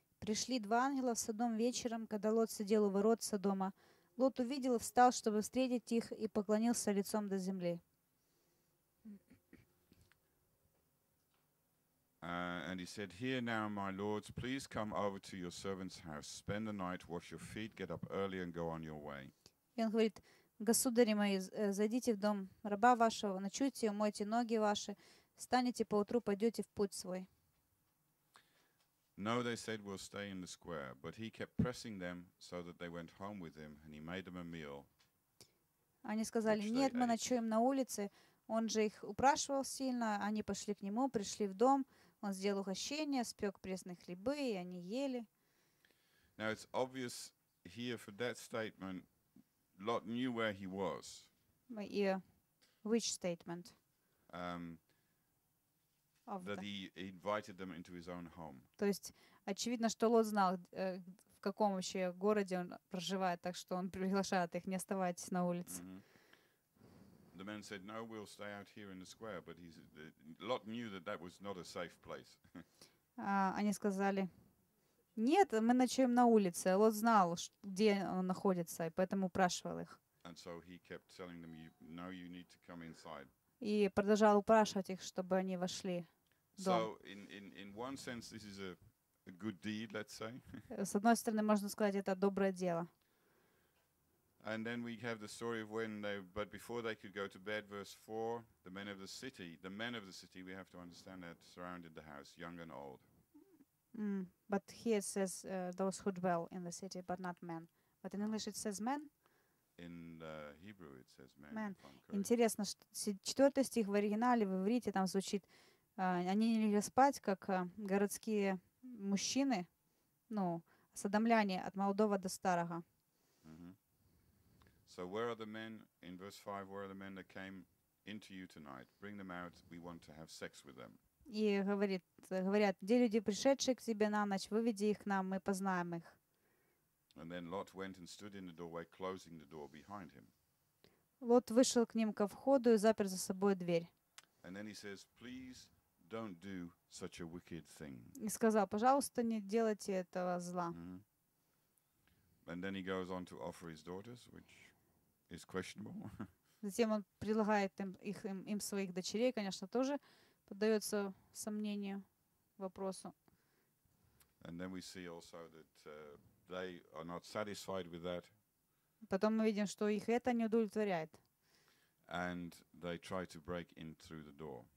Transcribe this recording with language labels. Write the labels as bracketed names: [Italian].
[Russian] Пришли два ангела в Содом вечером, когда Лот сидел у ворот Содома. Лот увидел и встал, чтобы встретить их, и поклонился лицом до земли. [English] And he said, "Hear now, my lords, please come over to your servant's house, spend the night, wash your feet, get up early and go on your way." [Russian] И он говорит: "Государи мои, зайдите в дом раба вашего, ночуйте, умойте ноги ваши, встанете поутру, пойдете в путь свой." [English] No, they said, "We'll stay in the square." But he kept pressing them so that they went home with him, and he made them a meal. [Russian] Они сказали: "Нет, мы ночуем на улице." Он же их упрашивал сильно. Они пошли к нему, пришли в дом. Он сделал угощение, спек пресные хлебы, и они ели. [English] Now it's obvious here for that statement, Lot knew where he was. Which statement? That he invited them into his own home. [Russian] То есть очевидно, что Лот знал, в каком вообще городе он проживает, так что он приглашает их: не оставайтесь на улице. [English] The man said, "No, we'll stay out here in the square." But Lot knew that that was not a safe place. [Russian] Они сказали: "Нет, мы ночуем на улице." Лот знал, где он находится, и поэтому упрашивал их. [English] And so he kept telling them, "No, you need to come inside." [Russian] И продолжал упрашивать их, чтобы они вошли в дом. [English] So in one sense this is a good deed, let's say. [Russian] С одной стороны, можно сказать, это доброе дело. [English] And then we have the story of when before they could go to bed, verse 4, the men of the city, we have to understand that surrounded the house, young and old. But here it says those who dwell in the city, but not men. But in English it says men. In Hebrew it says man. Man. [Russian] Интересно, что 4 стих в оригинале, в иврите, там звучит: они не легли спать, как городские мужчины, ну, содомляне, от молодого до старого. [English] So where are the men in verse 5? Where are the men that came into you tonight? Bring them out, we want to have sex with them. [Russian] И говорят: где люди, пришедшие к тебе на ночь? Выведи их к нам, мы познаем их. [English] And then Lot went and stood in the doorway, closing the door behind him. [Russian] Лот вышел к ним ко входу и запер за собой дверь. [English] And then he says, "Please don't do such a wicked thing." [Russian] И сказал: пожалуйста, не делайте этого зла. [English] And then he goes on to offer his daughters, which is questionable. [Russian] Затем он предлагает им своих дочерей, конечно, тоже поддается сомнению, вопросу. [English] And then we see also that they are not satisfied with that. [Russian] Потом мы видим, что их это не удовлетворяет. [English] And they try to break in through the door.